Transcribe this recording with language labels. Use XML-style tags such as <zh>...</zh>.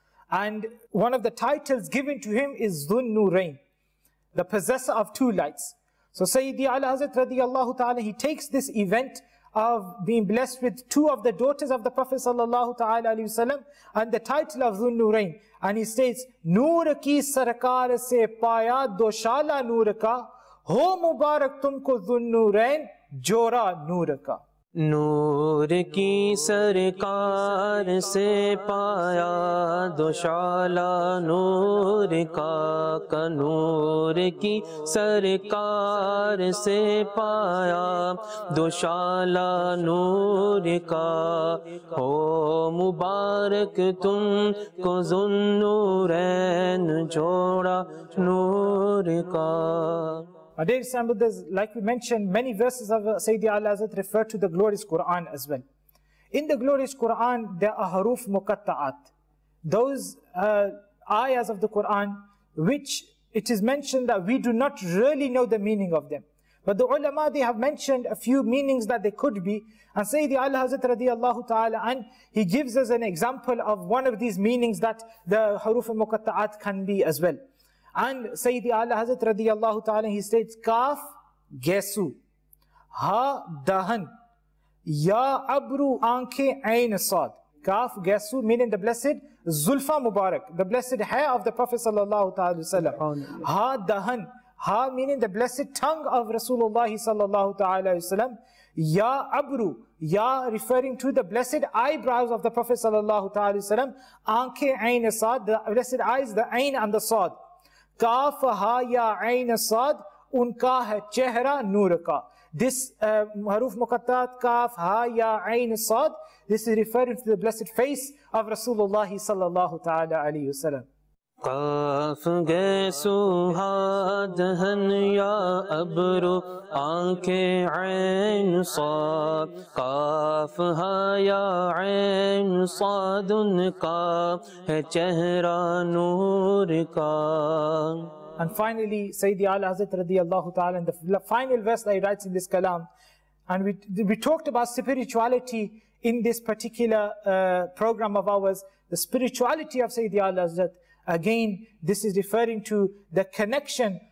<en>And one of the titles given to him is Dhun Nurain, the possessor of two lights. So Sayyidi Ala Hazrat radiyallahu ta'ala, he takes this event of being blessed with two of the daughters of the Prophet sallallahu ta'ala alayhi wa sallam and the title of Dhun Nurain. And he states,</en> <ur>نور کی سرکار سے پایا دوشالہ نور کا، ہو مبارک تم کو ذوالنورین، جوڑا نور کا۔ نور کی سرکار سے پایا دوشالہ نور کا نور کی سرکار سے پایا دوشالہ نور کا ہو مبارک تم کو ذن نورین جوڑا نور کا</ur> <en>My dear Islam, like we mentioned, many verses of Sayyidi Ala Hazrat refer to the glorious Quran as well. In the glorious Quran, there are haruf muqatta'at. Those ayahs of the Quran, which it is mentioned that we do not really know the meaning of them. But the ulama, they have mentioned a few meanings that they could be. And Sayyidi Ala Hazrat radiyallahu ta'ala an, he gives us an example of one of these meanings that the haruf muqatta'at can be as well. And Sayyidi Ala Hazrat radiyallahu ta'ala, he states,</en> <ur>Kaf Gesu, Ha Dahan, Ya Abru Anke Ain Asad.</ur> <en>Kaf Gesu, meaning the blessed Zulfa Mubarak, the blessed hair of the Prophet sallallahu ta'ala wasallam. Ha Dahan, Ha meaning the blessed tongue of Rasulullah sallallahu ta'ala wasallam. Ya Abru, Ya referring to the blessed eyebrows of the Prophet sallallahu ta'ala wasallam. Anke Ain Asad, the blessed eyes, the Ain and the Saad.</en> <ur>کاف ہا یا عین صاد ان کا ہے چہرہ نور کا This حروف مقطعات کاف ہا یا عین صاد</ur> <en>This is referring to the blessed face of</en> <ur>Rasulullah صلی اللہ تعالی علیہ وسلم کاف گیسو ہا دہن یا ابرو آنکھیں عین صاد کاف ہا یا عین صاد ان کا ہے چہرہ نور کا</ur> <en>And finally, Sayyidi Ala Hazrat radiyallahu ta'ala, in the final verse that he writes in this kalam, and we talked about spirituality in this particular program of ours, the spirituality of Sayyidi Ala Hazrat. Again, this is referring to the connection</en>